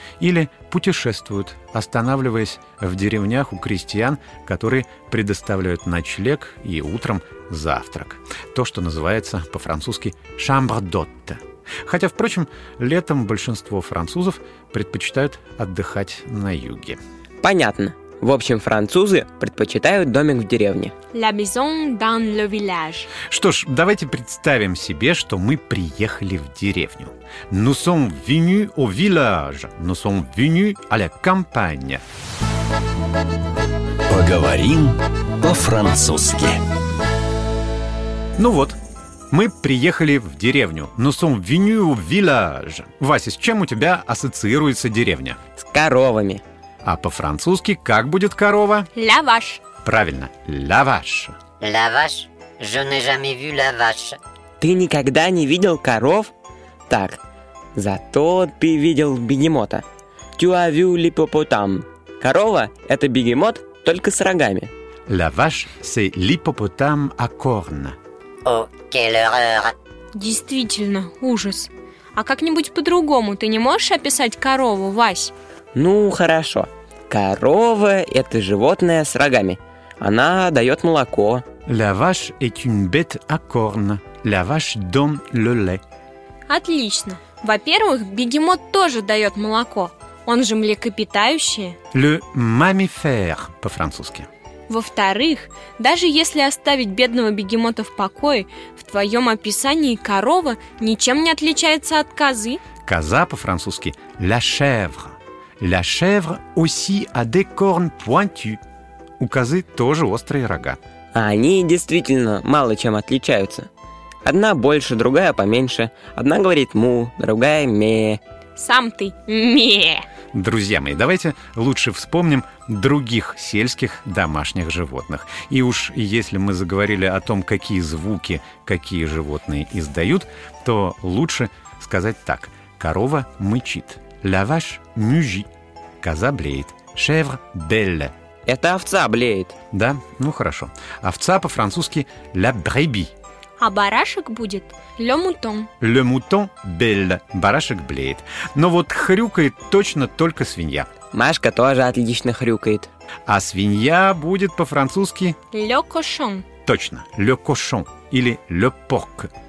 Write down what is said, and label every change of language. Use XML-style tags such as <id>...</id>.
<ru>Или путешествуют, останавливаясь в деревнях у крестьян, которые предоставляют ночлег и утром завтрак. То, что называется по-французски «chambre d'hôte». Хотя, впрочем, летом большинство французов предпочитают отдыхать на юге. Понятно. В общем, французы предпочитают домик в деревне.</ru> <fr>La maison dans le village.</fr> <ru>Что ж, давайте представим себе, что мы приехали в деревню.</ru> <fr>Nous sommes venus au village. Nous sommes venus à la campagne.</fr> <ru>Поговорим по-французски. Ну вот. Мы приехали в деревню.</ru> <fr>Nous sommes venus au village.</fr> <ru>Вася, с чем у тебя ассоциируется деревня? С коровами. А по-французски как будет корова?</ru> <fr>La vache. Правильно, la vache. La vache? Je n'ai jamais vu la vache.</fr> <ru>Ты никогда не видел коров? Так, зато ты видел бегемота.</ru> <fr>Tu as vu l'hippopotame.</fr> <ru>Корова – это бегемот, только с рогами.</ru> <fr>La vache, c'est l'hippopotame à cornes. О, quelle horreur!</fr> <ru>Действительно, ужас. А как-нибудь по-другому ты не можешь описать корову, Вась? Ну, хорошо. Корова – это животное с рогами. Она дает молоко.</ru> <fr>La vache est une bête à cornes. La vache donne le lait.</fr> <ru>Отлично. Во-первых, бегемот тоже дает молоко. Он же млекопитающий. Le mammifère по-французски. Во-вторых, даже если оставить бедного бегемота в покое, в твоем описании корова ничем не отличается от козы. Коза по-французски – la chèvre.</ru> <fr>La chèvre aussi a des cornes pointues.</fr> <ru>У козы тоже острые рога. Они действительно мало чем отличаются. Одна больше, другая поменьше. Одна говорит «му», другая «ме». Сам ты «ме». Друзья мои, давайте лучше вспомним других сельских домашних животных. И уж если мы заговорили о том, какие звуки какие животные издают, то лучше сказать так. Корова мычит.</ru> <fr>La vache mugit.</fr> <ru>Коза блеет.</ru> <fr>Chèvre belle.</fr> <ru>Это овца блеет. Да, ну хорошо. Овца по-французски la brebis. А барашек будет le mouton.</ru> <fr>Le mouton belle.</fr> <ru>Барашек блеет. Но вот хрюкает точно только свинья. Машка тоже отлично хрюкает. А свинья будет по-французски</ru> <fr>le cochon. Точно, le cochon или le porc.</fr>